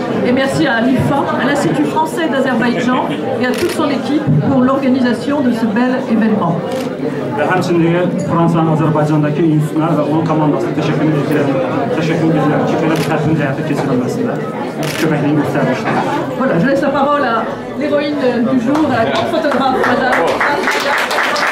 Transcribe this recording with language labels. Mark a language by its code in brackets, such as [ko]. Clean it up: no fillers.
[fr] Et merci à l'IFA, à l'Institut français d'Azerbaïdjan et à toute son équipe pour l'organisation de ce bel événement. [az] Ve həmçinlik Fransa və Azərbaycandakı institutlar və onun komandasına təşəkkür edirəm. Təşəkkür edirəm ki, belə bir tədbirin həyata keçirilməsində köməkliyini göstərmişdir. [fr] Voilà, je laisse la parole à l'héroïne du jour, la grande photographe, madame.